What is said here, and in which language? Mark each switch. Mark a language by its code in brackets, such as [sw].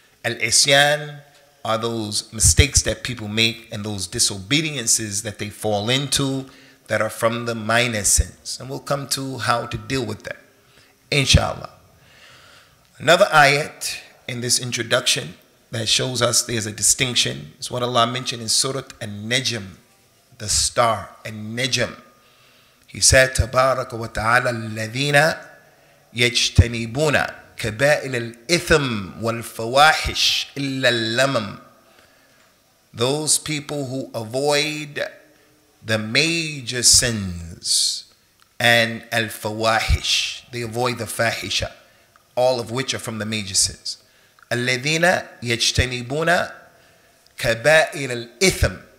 [en] Al-Isyan are those mistakes that people make and those disobediences that they fall into that are from the minor sins. And we'll come to how to deal with them, inshallah. Another ayat in this introduction that shows us there's a distinction is what Allah mentioned in Surah An-Najm, the star, An-Najm. He said, [ar] تَبَارَكَ وَتَعَالَى الَّذِينَ يَجْتَنِبُونَ كَبَائِلَ الْإِثْمِ وَالْفَوَاحِشِ إِلَّا اللَّمَمْ. [en] Those people who avoid the major sins and al-fawahish, they avoid the fahisha, all of which are from the major sins. [ar] الَّذِينَ يَجْتَنِبُونَ كَبَائِلَ الْإِثْمِ.